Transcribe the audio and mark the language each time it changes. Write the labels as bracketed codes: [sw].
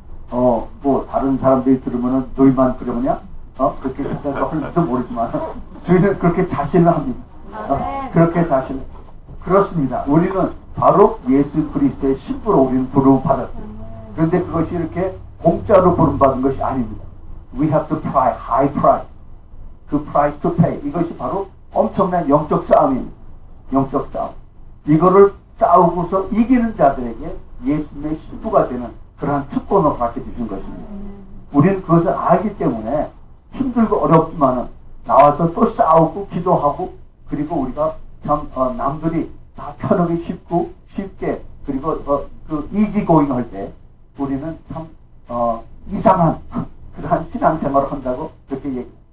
[ko] 뭐 다른 사람들이 들으면은 너희만 그러느냐? 그렇게 생각할지도 모르지만 주인은 그렇게 자신을 합니다. 그렇게 자신을. 그렇습니다. 우리는 바로 예수 그리스도의 신부로 우리는 부름받았어요. 그런데 그것이 이렇게 공짜로 부름받은 것이 아닙니다. [en] We have to pray, high price. 그 price to pay. [ko] 이것이 바로 엄청난 영적 싸움입니다. 영적 싸움. 이거를 싸우고서 이기는 자들에게 예수님의 신부가 되는 그러한 특권을 받게 주신 것입니다. 우리는 그것을 알기 때문에 힘들고 어렵지만은 나와서 또 싸우고 기도하고 그리고 우리가 참, 남들이 다 편하게 쉽게 그리고 그 easygoing 할 때 우리는 참 이상한 그러한 신앙생활을 한다고 그렇게 얘기해요.